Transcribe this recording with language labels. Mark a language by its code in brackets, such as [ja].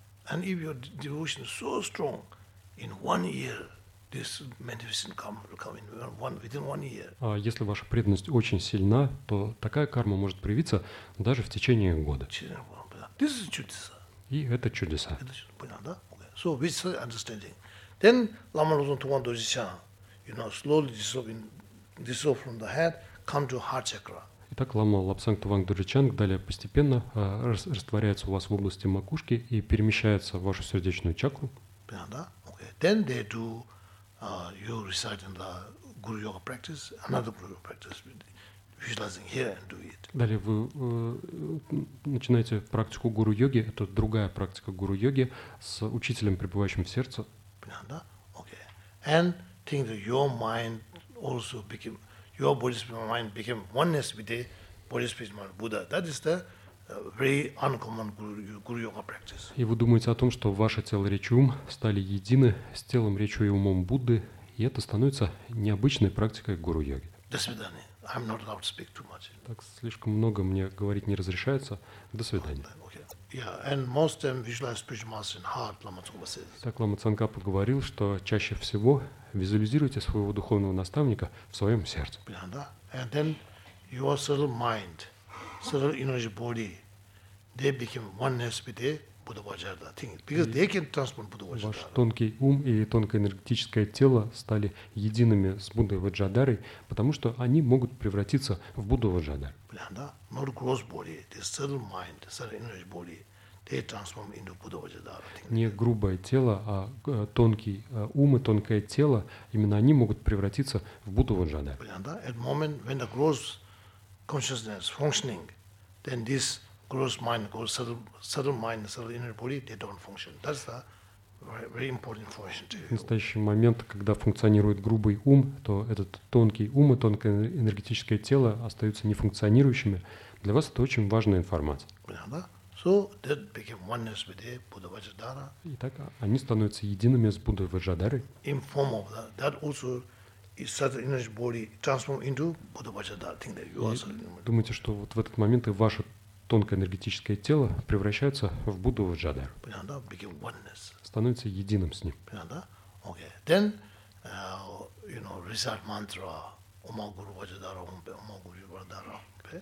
[en] And if your devotion is so strong, in one year, this manifestation karma will come in within one year. [ru] А если ваша преданность очень сильна, то такая карма может проявиться даже в течение года. [en] This is чудеса. [ru] И это чудеса. Понял, да? [en] So with such understanding, then Lama Rinpoche Tuan Dorjichang, you know, slowly dissolve from the head, come to heart chakra. [ru] Итак, Лама Лапсанг Туванг Доржичанг далее постепенно растворяется у вас в области макушки и перемещается в вашу сердечную чакру. [en] Then they do. You recite in the guru yoga practice, another guru yoga practice, visualizing here and do it. [ru] Далее вы начинаете практику гуру йоги, это другая практика гуру йоги с учителем, пребывающим в сердце. Да? Okay. [en] And think that your mind also became, your body spirit mind became oneness with the body spirit mind Buddha. That is the very uncommon guru yoga practice. [ru] И вы думаете о том, что ваше тело, речь и ум стали едины с телом, речью и умом Будды, и это становится необычной практикой гуру йоги. До свидания. [en] I'm not allowed to speak too much. [ru] Так слишком много мне говорить не разрешается. До свидания. [en] Okay. Yeah, and most of them visualize spiritual master in heart, Lama Tsongkhapa says. [ru] Так Лама Цанкапа говорил, что чаще всего визуализируйте своего духовного наставника в своем сердце. [en] And then your subtle mind, subtle energy body, they became oneness with the Buddha Vajradhara thing. Because they can transport Buddha Vajradhara. [ru] Ваш тонкий ум и тонкое энергетическое тело стали едиными с Буддой Ваджадарой, потому что они могут превратиться в Будду Ваджадар. [en] Да? Not gross body, the subtle mind, the subtle energy body. They transform into Buddha Vajradhara. [ru] Не грубое тело, а тонкий ум и тонкое тело, именно они могут превратиться в Будду Ваджадара. Понятно? [en] At the moment when the gross consciousness functioning, then this gross mind, gross subtle mind, subtle inner body, they don't function. That's the very important function to you. [ru] В настоящий момент, когда функционирует грубый ум, то этот тонкий ум и тонкое энергетическое тело остаются нефункционирующими. Для вас это очень важная информация. Понятно? [en] So that became oneness with the Buddha Vajradhara. [ru] Итак, они становятся едиными с Буддой Ваджадарой. [en] In form of that, that also is subtle energy body transformed into Buddha Vajradhara. Think that you are subtle energy. [ru] Думаете, что вот в этот момент и ваше тонкое энергетическое тело превращается в Будду Ваджадару? Понятно? [en] Became oneness. [ru] Становится единым с ним. Понятно? [en] Okay. Then, you know, recite mantra. [sa] Ома Гуру Ваджадара Хумпе, Ома Гуру Ваджадара Хумпе.